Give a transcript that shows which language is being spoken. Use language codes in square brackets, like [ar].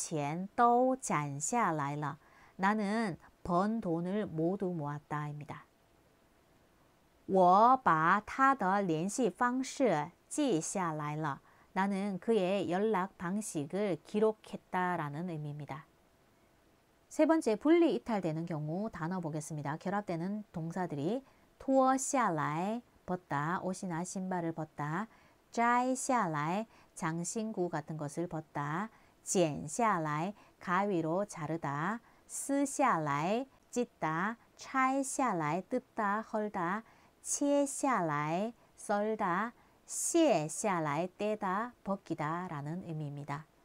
[zh] 我把挣的钱都攒下来了. [ko] 나는 번 돈을 모두 모았다 입니다. [zh] 我把他的联系方式记下来了. [ko] 나는 그의 연락 방식을 기록했다 라는 의미입니다. 세 번째, 분리 이탈되는 경우 단어 보겠습니다. 결합되는 동사들이 脱下来, 벗다, 옷이나 신발을 벗다, 摘下来, 장신구 같은 것을 벗다, 剪下来, 가위로 자르다, 撕下来, 찢다, 拆下来, 뜯다, 헐다, 切下来, 썰다, 卸下来, 떼다, 벗기다 라는 의미입니다.